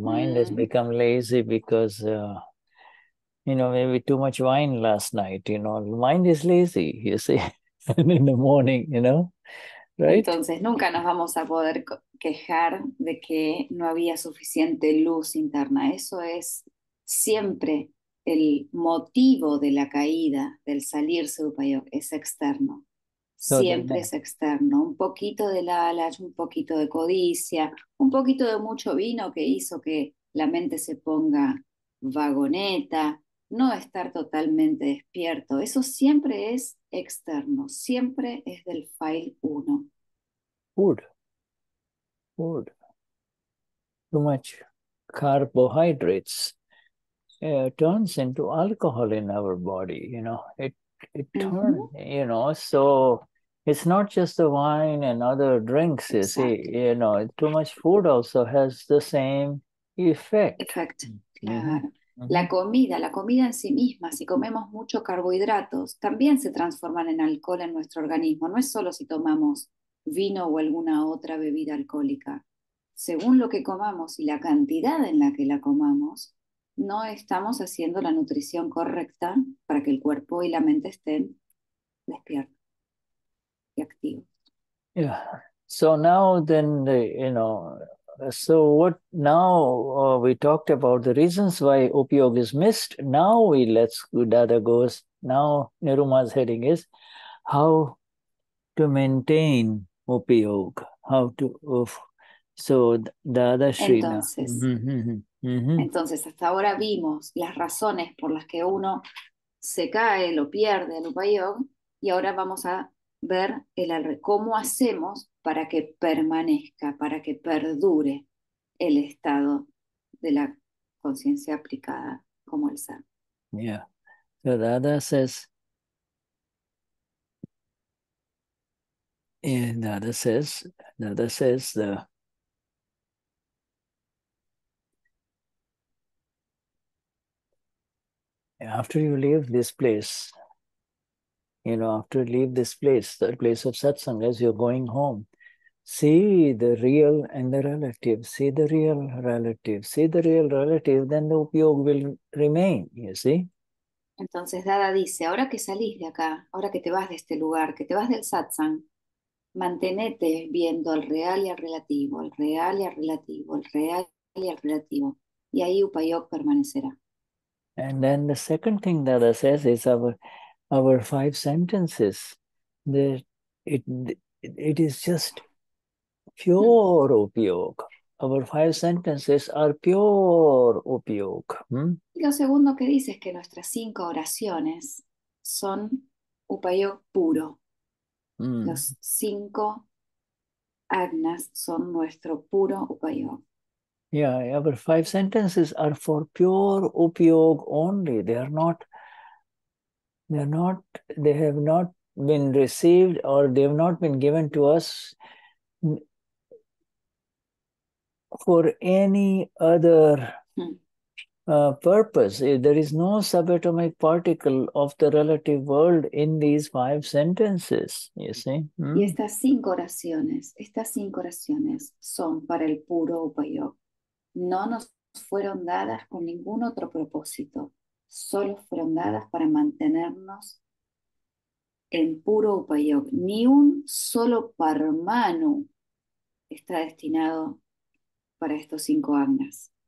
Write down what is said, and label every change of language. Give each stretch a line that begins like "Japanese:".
English: The mind has become lazy because, you know, maybe too much wine last night, you know. The mind is lazy, you see, in the morning, you know, right?
Spanish: Entonces, nunca nos vamos a poder quejar de que no había suficiente luz interna. Eso es siempre... El motivo de la caída, del salirse de Upayog, es externo. Siempre es externo. Un poquito de lalach, un poquito de codicia, un poquito de mucho vino que hizo que la mente se ponga vagoneta, no estar totalmente despierto. Eso siempre es externo. Siempre es del file 1.
English: Food. Food. Too much carbohydrates. Turns into alcohol in our body, you know, it turns, you know, so it's not just the wine and other drinks, you see, you know, too much food also has the same effect.
Spanish: Effect, La comida, en sí misma, si comemos mucho carbohidratos, también se transforman en alcohol en nuestro organismo, no es solo si tomamos vino o alguna otra bebida alcohólica, según lo que comamos y la cantidad en la que la comamos, no estamos haciendo la nutrición correcta para que el cuerpo y la mente estén despiertos y activos.
English: Yeah. So now then, the, you know, so what now we talked about the reasons why Upayoga is missed. Now we let's, Dada goes, now Niruma's heading is how to maintain Upayoga, how to, so Dada Srina.
Spanish: Entonces, hasta ahora vimos las razones por las que uno se cae, lo pierde, el upayog, y ahora vamos a ver el, cómo hacemos para que permanezca, para que perdure el estado de la conciencia aplicada como el ser.
English: Yeah, so Dada says, Dada says, after you leave this place, you know, after you leave this place, the place of satsang, as you're going home, see the real and the relative, see the real relative, see the real relative, then the upayoga will remain, you see.
Spanish: Entonces Dada dice, ahora que salís de acá, ahora que te vas de este lugar, que te vas del satsang, mantenete viendo el real y el relativo, el real y el relativo, el real y el relativo, y ahí upayoga permanecerá.
English: And then the second thing Dada says is our five senses, that it is just pure upayoga. Our five senses are pure upayoga.
Spanish: Y lo segundo que dice es que nuestras cinco oraciones son upayoga puro. Los cinco agnas son nuestro puro upayoga.
English: Yeah, our five sentences are for pure upayoga only. They have not been received or they have not been given to us for any other purpose. There is no subatomic particle of the relative world in these five sentences, you see.
Spanish: Y estas cinco oraciones son para el puro Upayoga. No nos fueron dadas con ningún otro propósito. Solo fueron dadas para mantenernos en puro Upayog. Ni un solo parmanu está destinado para estos cinco agnas.